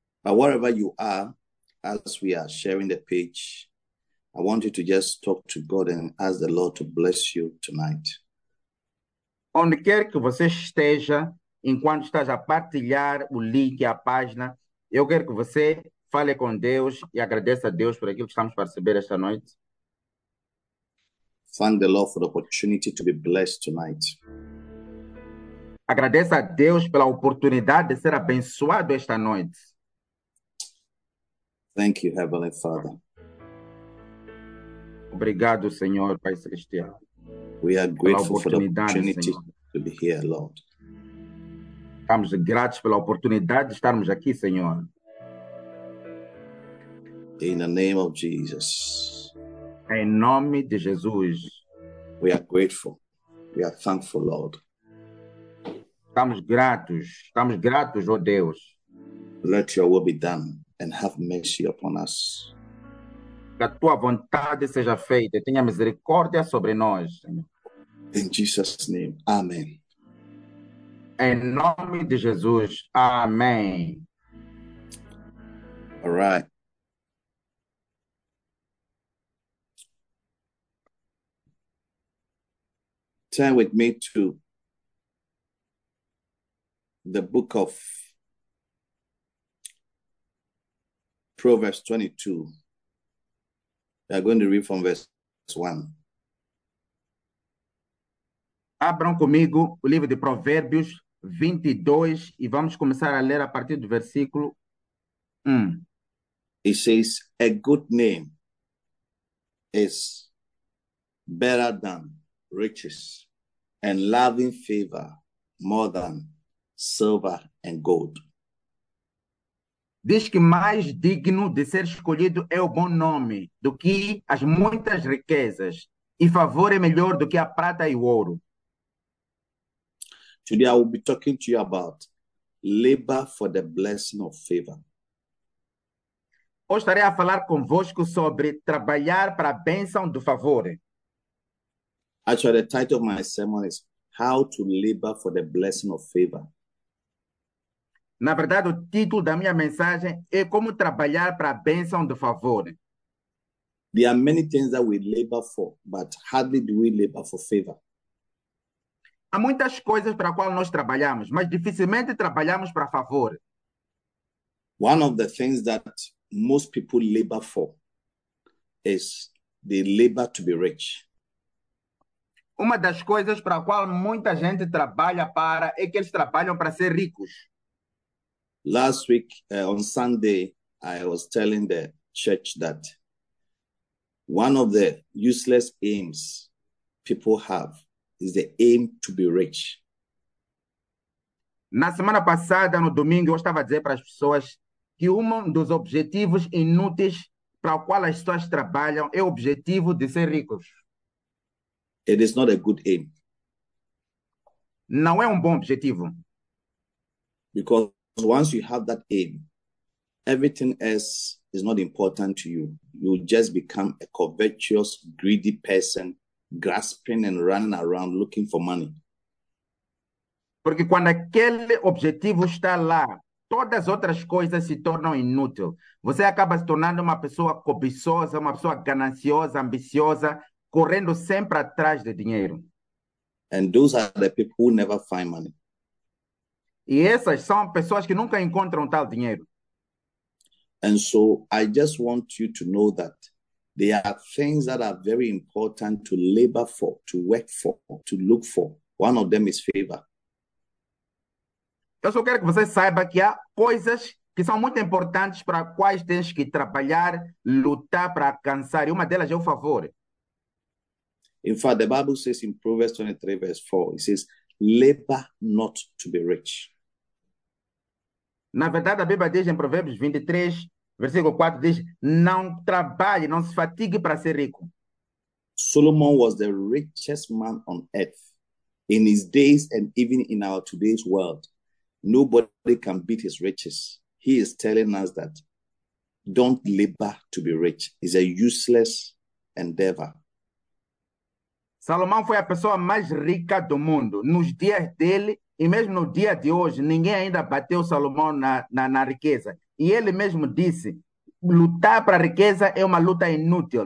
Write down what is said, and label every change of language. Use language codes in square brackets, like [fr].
[en] But wherever you are, as we are sharing the page, I want you to just talk to God and ask the Lord to bless you tonight. [pt] Onde quer que você esteja, enquanto estás a partilhar o link, a página, eu quero que você fale com Deus e agradeça a Deus por aquilo que estamos a receber esta noite. [en] Thank the Lord for the opportunity to be blessed tonight. [pt] Agradeça a Deus pela oportunidade de ser abençoado esta noite. [en] Thank you, Heavenly Father. [pt] Obrigado, Senhor, Pai Celestial. [en] We are grateful for the opportunity to be here, Lord. [pt] Estamos gratos pela oportunidade de estarmos aqui, Senhor. [en] In the name of Jesus. [pt] Em nome de Jesus. [en] We are grateful. We are thankful, Lord. [pt] Estamos gratos, oh Deus. [en] Let your will be done and have mercy upon us. [pt] Que a tua vontade seja feita e tenha misericórdia sobre nós, Senhor. [en] In Jesus' name, amen. [pt] Em nome de Jesus, amém. [en] All right. Turn with me to the book of Proverbs 22. We are going to read from verse 1. [pt] Abram comigo o livro de Provérbios 22 e vamos começar a ler a partir do versículo 1. [en] It says, a good name is better than riches, and loving favor more than silver and gold. [pt] Diz que mais digno de ser escolhido é o bom nome do que as muitas riquezas, e favor é melhor do que a prata e o ouro. [en] Today I will be talking to you about labor for the blessing of favor. [pt] Hoje estarei a falar convosco sobre trabalhar para a bênção do favor. [en] Actually, the title of my sermon is How to Labor for the Blessing of Favor. [pt] Na verdade, o título da minha mensagem é Como Trabalhar para a Bênção do Favor. [en] There are many things that we labor for, but hardly do we labor for favor. [pt] Há muitas coisas para as quais nós trabalhamos, mas dificilmente trabalhamos para favor. [en] One of the things that most people labor for is they labor to be rich. [pt] Uma das coisas para a qual muita gente trabalha para é que eles trabalham para ser ricos. [en] Last week, on Sunday, I was telling the church that one of the useless aims people have is the aim to be rich. [pt] Na semana passada, no domingo, eu estava a dizer para as pessoas que um dos objetivos inúteis para o qual as pessoas trabalham é o objetivo de ser ricos. [en] It is not a good aim. [pt] Não é um bom objetivo. [en] Because once you have that aim, everything else is not important to you. You just become a covetous, greedy person, grasping and running around looking for money. [pt] Porque quando aquele objetivo está lá, todas as outras coisas se tornam inúteis. Você acaba se tornando uma pessoa cobiçosa, uma pessoa gananciosa, ambiciosa, correndo sempre atrás de dinheiro. [en] And those are the people who never find money. [pt] E essas são pessoas que nunca encontram tal dinheiro. [en] And so I just want you to know that there are things that are very important to labor for, to work for, to look for. One of them is favor. [pt] Eu só quero que você saiba que há coisas que são muito importantes para quais tens que trabalhar, lutar para alcançar. E uma delas é o favor. [en] In fact, the Bible says in Proverbs 23, verse 4, it says, labor not to be rich. [pt] Na verdade, a Bíblia diz em Provérbios 23, versículo 4, diz, não trabalhe, não se fatigue para ser rico. [en] Solomon was the richest man on earth. In his days and even in our today's world, nobody can beat his riches. He is telling us that don't labor to be rich. It's a useless endeavor. [pt] Salomão foi a pessoa mais rica do mundo. Nos dias dele, e mesmo no dia de hoje, ninguém ainda bateu Salomão na riqueza. E ele mesmo disse, lutar para a riqueza é uma luta inútil.